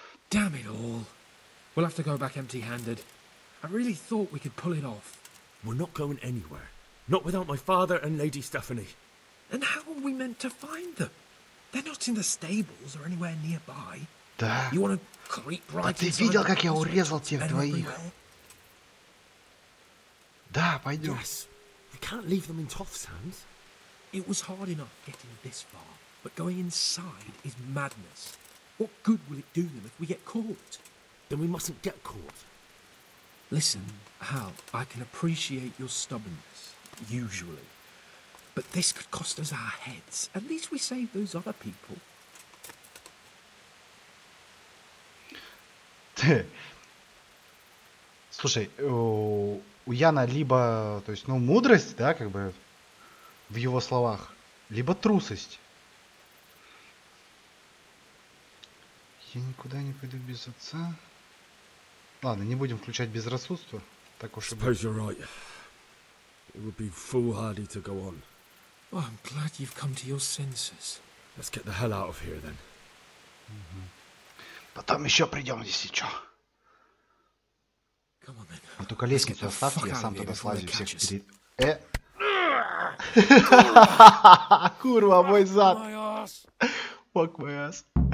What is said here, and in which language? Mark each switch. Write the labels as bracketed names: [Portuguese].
[English] Damn it all. We'll have to go back empty-handed. I really thought we could pull it off. We're not going anywhere. Not without my father and Lady Stephanie. And how are we meant to find them? They're not in the stables or anywhere nearby. [Russian] Да. [English] You want to creep right into the... [Russian] Да ты видел, как я урезал тебя в твоих? Да, пойдем. [English] Yes. We can't leave them in Toth's hands. It was hard enough getting this far, but going inside is madness. What good will it do them if we get caught? Then we mustn't get caught. Listen, Hal, I can appreciate your stubbornness, usually. But this could cost us our heads. At least we save those other people. [Russian] Слушай, у Яна либо, то есть, ну, мудрость, да, как бы, в его словах, либо трусость. Я никуда не пойду без отца. Ладно, не будем включать безрассудство. Так уж и быть. [English] Suppose you're right. It would be foolhardy to go on. Well, I'm glad you've come to your senses. Let's get the hell out of here, then. [Russian] Потом еще придем, если что. [English] Come on, then. [Russian] А только лестницу оставь, я сам туда слазил всех перед... Курва, мой зад! [English] Fuck my ass.